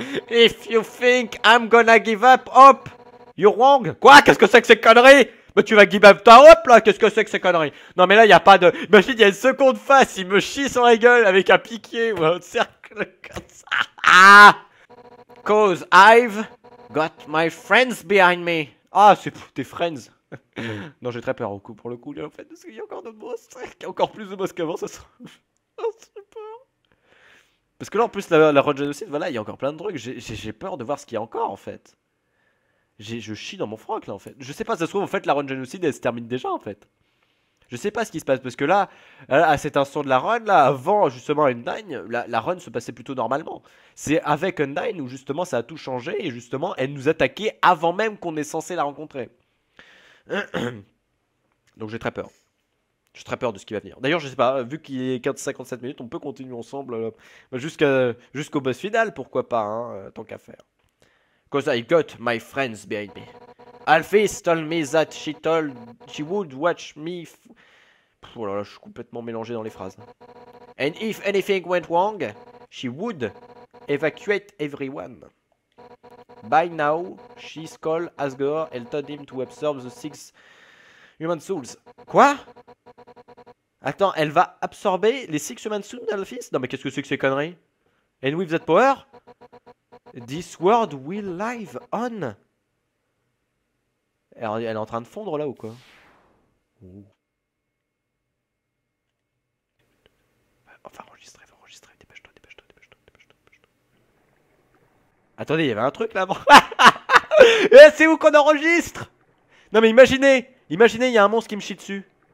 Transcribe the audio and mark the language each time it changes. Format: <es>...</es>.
<en>If you think I'm gonna give up, hop, you're wrong.</en> <fr>Quoi? Qu'est-ce que c'est que ces conneries? Mais tu vas</fr> <en>give up</en> <fr>toi, hop là, qu'est-ce que c'est que ces conneries? Non mais là, y'a pas de... Imagine, y'a une seconde face, il me chie sur la gueule avec un piqué ou un cercle comme ça. Ah!</fr> <en>Cause I've got my friends behind me.</en> <fr>Ah, c'est pour tes friends. Non, j'ai très peur au coup, pour le coup, en fait, parce qu'il y a encore de boss, il y a encore plus de boss qu'avant, ça sent... Oh, j'ai peur. Parce que là, en plus, la Road Genocide, voilà, il y a encore plein de trucs, j'ai peur de voir ce qu'il y a encore, en fait. Je chie dans mon froc, là, en fait. Je sais pas, ça se trouve, en fait, la Road Genocide, elle se termine déjà, en fait. Je sais pas ce qui se passe, parce que là, à cet instant de la run, là, avant justement Undyne, la run se passait plutôt normalement. C'est avec Undyne où justement ça a tout changé, et justement, elle nous attaquait avant même qu'on ait censé la rencontrer. Donc j'ai très peur. J'ai très peur de ce qui va venir. D'ailleurs, je sais pas, vu qu'il est 15-57 minutes, on peut continuer ensemble jusqu'au boss final, pourquoi pas, hein, tant qu'à faire.</fr> <en>Cause I got my friends behind me. Alphys told me that she would watch me.</en> <fr>Oh là là, je suis complètement mélangé dans les phrases.</fr> <en>And if anything went wrong, she would evacuate everyone. By now, she's called Asgore and told him to absorb the six human souls.</en> <fr>Quoi? Attends, elle va absorber les six</fr> <en>human souls</en> <fr>d'Alphys? Non, mais qu'est-ce que c'est que ces conneries?</fr> <en>And with that power, this world will live on.</en> <fr>Elle est en train de fondre là ou quoi? Ouh. Enfin, enregistrez, enregistrez, dépêche-toi, dépêche-toi, dépêche-toi, dépêche-toi, dépêche-toi. Attendez, il y avait un truc là avant. C'est où qu'on enregistre? Non mais imaginez, imaginez, il y a un monstre qui me chie dessus.</fr>